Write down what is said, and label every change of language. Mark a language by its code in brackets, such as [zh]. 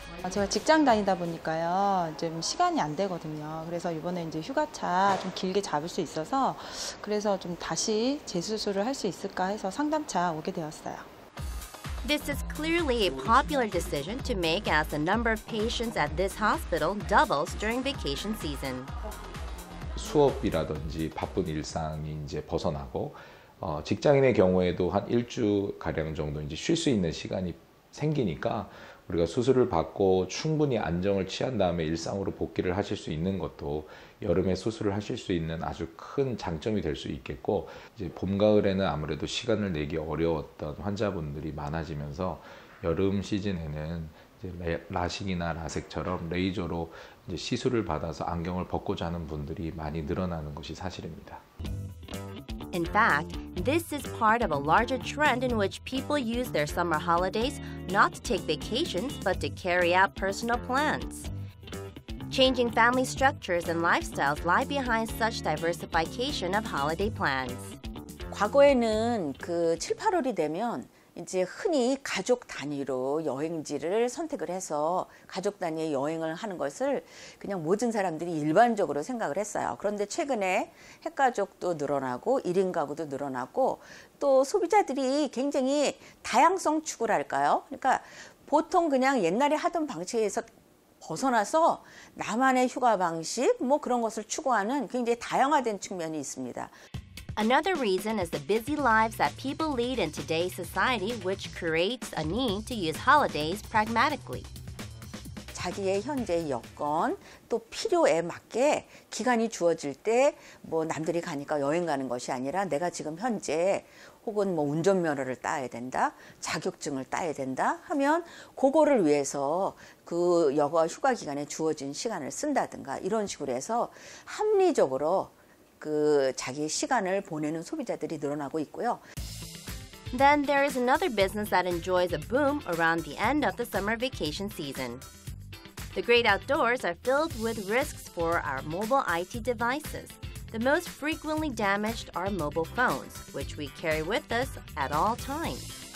[ko] 제가 직장 다니다 보니까요, 좀 시간이 안 되거든요. 그래서 이번에 이제 휴가차 좀 길게 잡을 수 있어서 그래서 좀 다시 재수술을 할 수 있을까 해서 상담차 오게 되었어요. [en] This is clearly a popular decision to make as the number of patients at this hospital doubles during vacation season. [ko] 수업이라든지 바쁜 일상이 이제 벗어나고 직장인의 경우에도 한 일주 가량 정도 이제 쉴 수 있는 시간이 생기니까 우리가 수술을 받고 충분히 안정을 취한 다음에 일상으로 복귀를 하실 수 있는 것도 여름에 수술을 하실 수 있는 아주 큰 장점이 될 수 있겠고 이제 봄, 가을에는 아무래도 시간을 내기 어려웠던 환자분들이 많아지면서 여름 시즌에는 이제 라식이나 라섹처럼 레이저로 이제 시술을 받아서 안경을 벗고 자는 분들이 많이 늘어나는 것이 사실입니다. [en] In fact, this is part of a larger trend in which people use their summer holidays not to take vacations but to carry out personal plans. Changing family structures and lifestyles lie behind such diversification of holiday plans. [ko] 과거에는 그 7, 8월이 되면 이제 흔히 가족 단위로 여행지를 선택을 해서 가족 단위의 여행을 하는 것을 그냥 모든 사람들이 일반적으로 생각을 했어요. 그런데 최근에 핵가족도 늘어나고 1인 가구도 늘어나고 또 소비자들이 굉장히 다양성 추구랄까요? 그러니까 보통 그냥 옛날에 하던 방식에서 벗어나서 나만의 휴가 방식, 뭐 그런 것을 추구하는 굉장히 다양화된 측면이 있습니다. [en] Another reason is the busy lives that people lead in today's society, which creates a need to use holidays pragmatically. [ko] 자기의 현재의 여건, 또 필요에 맞게 기간이 주어질 때, 뭐 남들이 가니까 여행 가는 것이 아니라 내가 지금 현재 혹은 뭐 운전면허를 따야 된다, 자격증을 따야 된다 하면 그거를 위해서 그 여가 휴가 기간에 주어진 시간을 쓴다든가 이런 식으로 해서 합리적으로 그 자기의 시간을 보내는 소비자들이 늘어나고 있고요. [en] Then there is another business that enjoys a boom around the end of the summer vacation season. The great outdoors are filled with risks for our mobile IT devices. The most frequently damaged are mobile phones, which we carry with us at all times.